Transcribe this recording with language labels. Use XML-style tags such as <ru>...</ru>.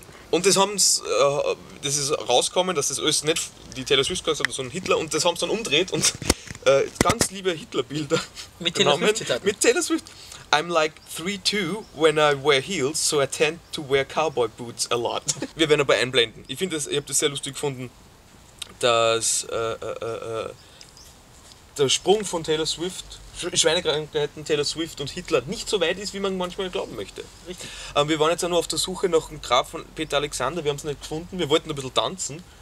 <de>Und das haben das ist rausgekommen, dass das alles nicht die Taylor Swift gesagt hat, sondern Hitler, und das haben sie dann umdreht und ganz liebe Hitler-Bilder mit Taylor Swift-Zitaten. Mit Taylor Swift.</de> <en>I'm like 3'2 when I wear heels, so I tend to wear cowboy boots a lot.</en> <de>Wir werden aber einblenden. Ich finde, ich habe das sehr lustig gefunden, dass der Sprung von Taylor Swift, Schweinekrankheiten, Taylor Swift und Hitler nicht so weit ist, wie man manchmal glauben möchte. Richtig. Wir waren jetzt auch nur auf der Suche nach dem Grab von Peter Alexander, wir haben es nicht gefunden, wir wollten ein bisschen tanzen.</de>